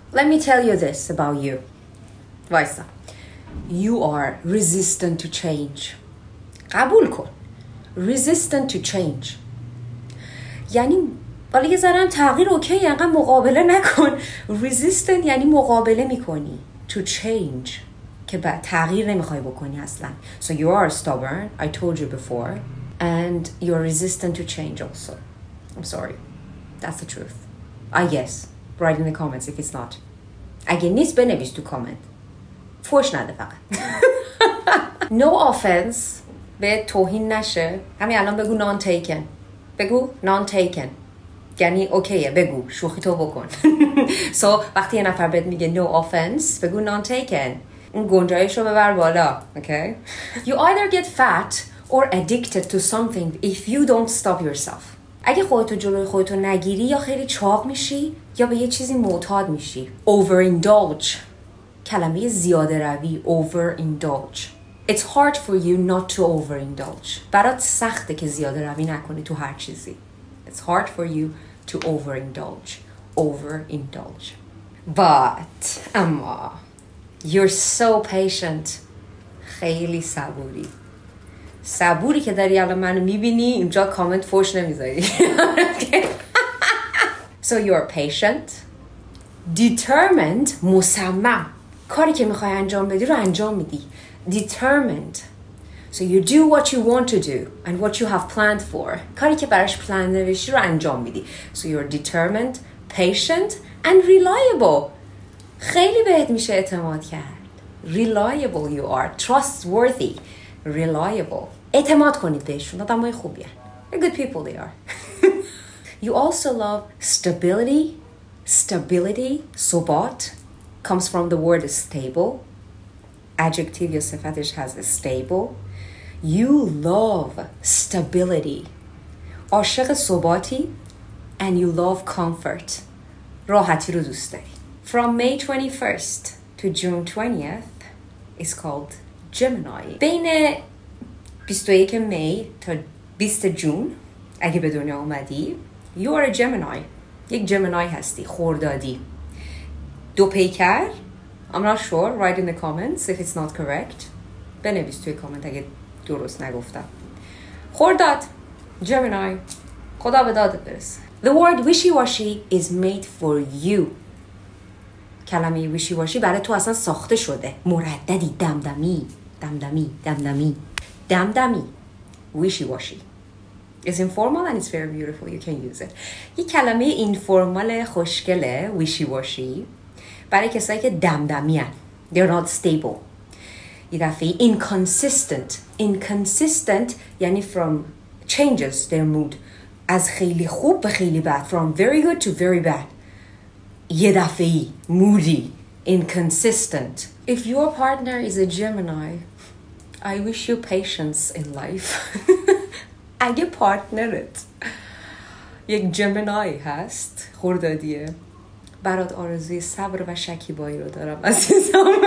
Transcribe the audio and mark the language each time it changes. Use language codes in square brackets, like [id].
[en] Let me tell you this about you. [fa] وایسا. [en] You are resistant to change. [fa] قبول کن. [en] Resistant to change. [fa] یعنی ولی یه ذره تغییر اوکی، انقدر مقابله نکن. resistant یعنی مقابله میکنی to change، که بعد تغییر نمیخوای بکنی اصلا. [en] So you are stubborn, I told you before, and you are resistant to change also. I'm sorry, that's the truth. I guess write in the comments if it's not. [fa] اگه نیست بنویس تو کامنت، فوش نده فقط. [en] No offense، [fa] به توهین نشه. همین الان بگو non taken، بگو non taken یعنی اوکیه، بگو شوخی تو بکن. So وقتی یه نفر بهت میگه [en] no offense، [fa] بگو non taken، اون گنجایش رو ببر بالا. [en] Okay. You either get fat or addicted to something if you don't stop yourself. [fa] اگه خودتو جلوی خودتو نگیری، یا خیلی چاق میشی یا به یه چیزی معتاد میشی. Overindulge، کلمه زیاده روی. [en] Overindulge. It's hard for you not to overindulge. [fa] برات سخته که زیاده روی نکنی تو هر چیزی. [en] It's hard for you to overindulge. Overindulge. But اما you're so patient. [fa] خیلی صبوری. صبوری که داری الان منو میبینی اینجا کامنت فوش نمیذاری. [en] So you are patient, determined. مصمم. [fa] کاری که میخوای انجام بدی رو انجام میدی. [en] Determined. So you do what you want to do and what you have planned for. [fa] کاری که براش پلان نوشتی رو انجام میدی. [en] So you're determined, patient and reliable. [fa] خیلی بهت میشه اعتماد کرد. [en] Reliable you are. Trustworthy. Reliable. [fa] اعتماد کنید بهشون. آدمای خوبی هست. [en] They're good people they are. You also love stability. Stability. ثبات. Comes from the word stable. Adjective یا صفتش has stable. You love stability. [fa] عاشق ثباتی. [en] And you love comfort. [fa] راحتی رو دوست داری. [en] From May 21st to June 20th is called Gemini. [fa] بین 21 می تا 20 جون اگه به دنیا اومدی، [en] you are a Gemini. [fa] یک Gemini هستی، خردادی. دو پیکر. [en] I'm not sure, write in the comments if it's not correct. [fa] بنویس توی کامنت اگه درست نگفتم. خرداد، Gemini. خدا به دادت برس. [en] The word wishy-washy is made for you. [fa] کلمه ویشی واشی برای تو اصلا ساخته شده. مرددی، دمدمی، دمدمی، دمدمی، دمدمی، ویشی واشی. [en] It's informal and it's very beautiful. You can use it. [fa] یه کلمه اینفورمال خوشگله، ویشی واشی، برای کسایی که دمدمی هن. [en] They're not stable. [fa] یه دفعه [en] inconsistent. Inconsistent یعنی from changes their mood. [fa] از خیلی خوب به خیلی بد. [en] From very good to very bad. [fa] یه دفعی moody, inconsistent. [en] If your partner is a Gemini, I wish you patience in life. [fa] اگه پارتنرت یک Gemini هست، خردادیه، برات آرزوی صبر و شکیبایی رو دارم عزیزم.